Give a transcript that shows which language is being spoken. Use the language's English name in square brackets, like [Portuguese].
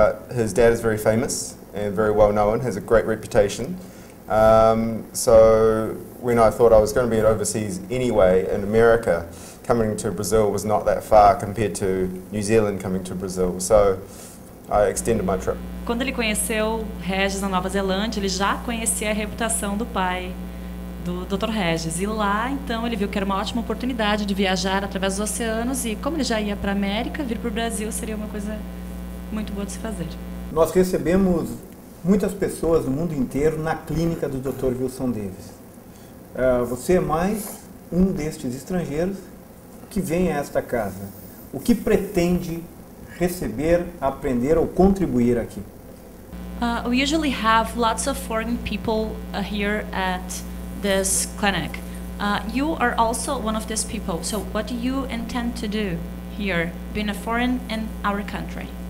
[English] His dad is very famous and very well known, has a great reputation. So when I thought I was going to be overseas anyway in America, coming to Brazil was not that far compared to New Zealand coming to Brazil. So I extended my trip. [Portuguese] Quando ele conheceu Regis na Nova Zelândia, ele já conhecia a reputação do pai, do Dr. Regis. E lá, então, ele viu que era uma ótima oportunidade de viajar através dos oceanos e, como ele já ia para a América, vir para o Brasil seria uma coisa muito boa de se fazer. Nós recebemos muitas pessoas do mundo inteiro na clínica do Dr. Wilson Davis. Você é mais um destes estrangeiros que vem a esta casa. O que pretende receber, aprender ou contribuir aqui? [English] We usually have lots of foreign people here at this clinic. You are also one of these people. So what do you intend to do here, being a foreign in our country?